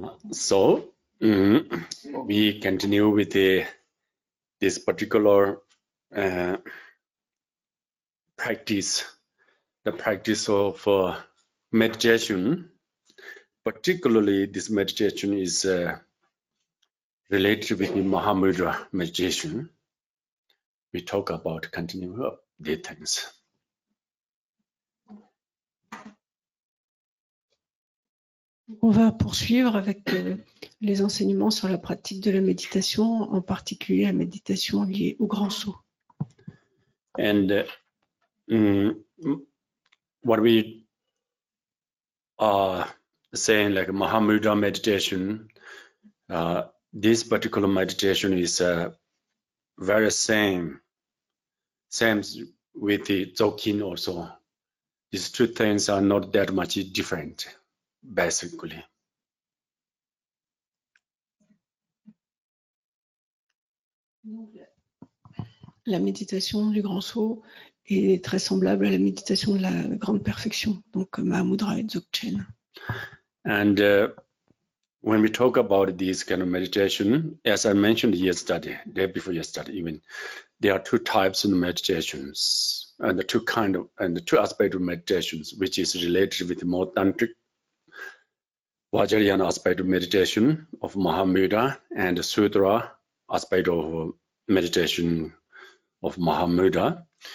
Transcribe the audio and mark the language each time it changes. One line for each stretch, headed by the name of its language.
English: So we continue with this particular practice, the practice of meditation. Particularly, this meditation is related with Mahamudra meditation. We talk about continuing of the things.
French: On va poursuivre avec les enseignements sur la pratique de la méditation, en particulier la méditation liée au grand saut.
English: And what we are saying, like Mahamudra meditation, this particular meditation is very same with the Dzogchen also. These two things are not that much different. Basically.
French: La méditation du grand saut est très semblable à la méditation de la grande perfection, donc Mahamudra et Dzogchen.
English: And when we talk about this kind of meditation, as I mentioned yesterday, day before yesterday even, there are two types of meditations and the two kind of and the two aspects of meditations, which is related with more tantric Vajrayana aspect of meditation of Mahamudra and the Sutra aspect of meditation of Mahamudra.